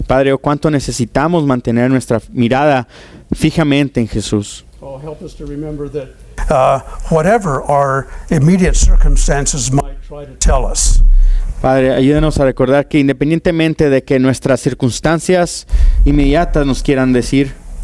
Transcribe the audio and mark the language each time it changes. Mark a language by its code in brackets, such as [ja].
[es] Padre, cuánto necesitamos mantener nuestra mirada fijamente en Jesús. [en] Oh, help us to remember that whatever our immediate circumstances might try to tell us. [es] Padre, ayúdenos a recordar que independientemente de que nuestras circunstancias inmediatas nos quieran decir,